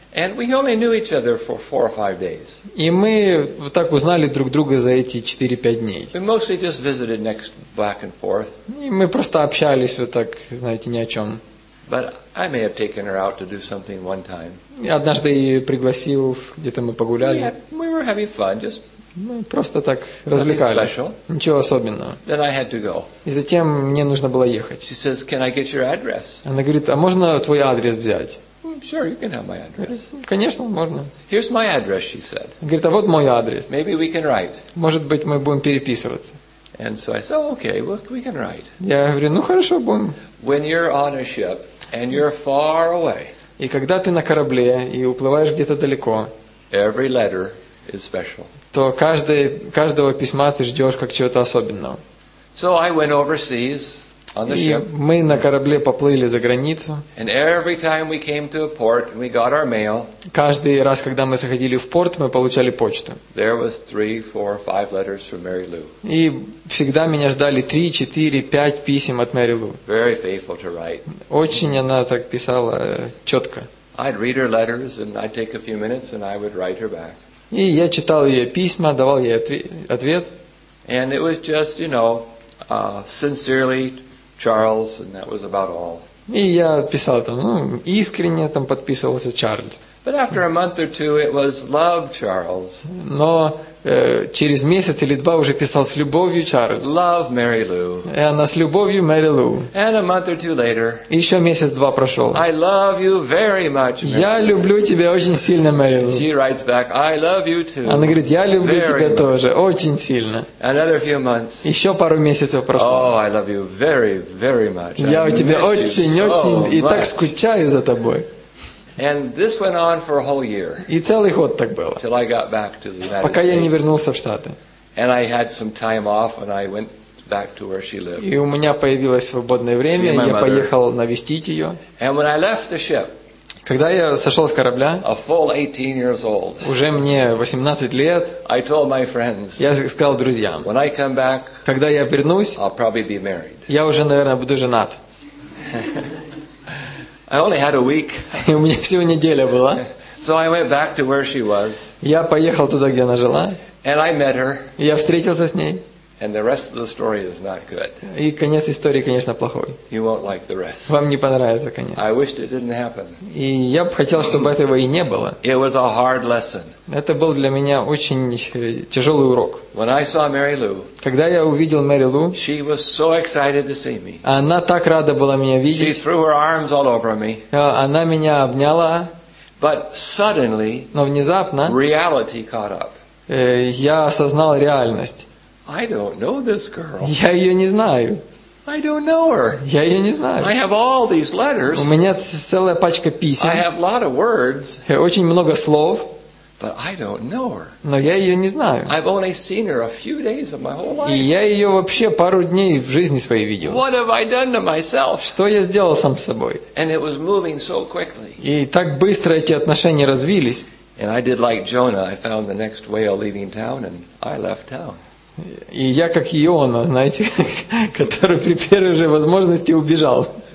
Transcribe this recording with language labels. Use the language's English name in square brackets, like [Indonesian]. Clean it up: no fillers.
[English] And we only knew each other for 4 or 5 days. [Russian] И мы вот так узнали друг друга за эти 4-5 дней. [English] We mostly just visited next back and forth. [Russian] И мы просто общались вот так, знаете, ни о чем. [English] But I may have taken her out to do something one time. [Russian] Я однажды её пригласил, где-то мы погуляли. [English] We were having fun, just. [Russian] Мы просто так развлекались. [English] Nothing special. [Russian] Ничего особенного. [English] Then I had to go. [Russian] И затем мне нужно было ехать. [English] She says, "Can I get your address?" [Russian] Она говорит, а можно твой адрес взять? [English] Sure, you can have my address. [Russian] Конечно, можно. [English] Here's my address, she said. [Russian] Говорит, а вот мой адрес. [English] Maybe we can write. [Russian] Может быть, мы будем переписываться. [English] And so I said, "Okay, well, we can write." [Russian] Я говорю, ну хорошо, будем. [English] When you're on a ship and you're far away. [Russian] И когда ты на корабле и уплываешь где-то далеко, [English] every letter is special. [Russian] То каждого письма ты ждешь как чего-то особенного. [English] So I went overseas on the ship. [Russian] И мы на корабле поплыли за границу. [English] And every time we came to a port, we got our mail. [Russian] Каждый раз, когда мы заходили в порт, мы получали почту. [English] There was 3, 4, 5 letters from Mary Lou. [Russian] И всегда меня ждали 3, 4, 5 писем от Мэри Лу. [English] Very faithful to write. [Russian] Очень она так писала четко. [English] I'd read her letters and I'd take a few minutes and I would write her back. [Russian] И я читал ее письма, давал ей ответ. [English] And it was just, you know, sincerely, Charles, and that was about all. [Russian] И я писал там, ну, искренне там подписывался Чарльз. [English] But after a month or two, it was love, Charles. [Russian] Но через месяц или два уже писал с любовью, Чарльз. [English] Love, Mary Lou. [Russian] И она с любовью, Мэри Лу. [English] And a month or two later. [Russian] И еще месяц-два прошел. [English] I love you very much, Mary Lou. [Russian] Я люблю тебя очень сильно, Мэри Лу. [English] She writes back, I love you too. [Russian] Она говорит, я люблю тебя тоже очень сильно. [English] Another few months. [Russian] Еще пару месяцев прошло. [English] Oh, I love you very, very much. [Russian] Я у тебя очень-очень и так скучаю за тобой. [English] And this went on for a whole year. [Russian] И целый год так было. [English] Till I got back to the United States. [Russian] Пока я не вернулся в Штаты. [English] And I had some time off, and I went back to where she lived. [Russian] И у меня появилось свободное время, [English] she and my [Russian] я [English] mother. [Russian] Поехал навестить ее. [English] And when I left the ship, [Russian] когда я сошел с корабля, [English] a full 18 years old, [Russian] уже мне 18 лет, [English] I told my friends, [Russian] я сказал друзьям, [English] when I come back, [Russian] когда я вернусь, [English] I'll probably be married. [Russian] Я уже, наверное, буду женат. [English] I only had a week. [Russian] И у меня всего неделя была. [English] So I went back to where she was. [Russian] Я поехал туда, где она жила. [English] And I met her. [Russian] Я встретился с ней. [English] And the rest of the story is not good. [Russian] И конец истории, конечно, плохой. [English] You won't like the rest. [Russian] Вам не понравится конец. [English] I wished it didn't happen. [Russian] И я бы хотел, чтобы этого и не было. [English] It was a hard lesson. [Russian] Это был для меня очень тяжелый урок. [English] When I saw Mary Lou, [Russian] когда я увидел Мэри Лу, [English] she was so excited to see me. [Russian] Она так рада была меня видеть. [English] She threw her arms all over me. [Russian] Она меня обняла. [English] But suddenly, [Russian] но внезапно, [English] reality caught up. [Russian] Я осознал реальность. [English] I don't know this girl. [Russian] Я ее не знаю. [English] I don't know her. [Russian] Я ее не знаю. [English] I have all these letters. [Russian] У меня целая пачка писем. [English] I have a lot of words. [Russian] Очень много слов. [English] But I don't know her. [Russian] Но я ее не знаю. [English] I've only seen her a few days of my whole life. [Russian] И я ее вообще пару дней в жизни своей видел. [English] What have I done to myself? [Russian] Что я сделал сам с собой? [English] And it was moving so quickly. [Russian] И так быстро эти отношения развились. [English] And I did like Jonah. I found the next whale leaving town, and I left town. [Russian] И я как Иона, знаете, который при первой же возможности убежал.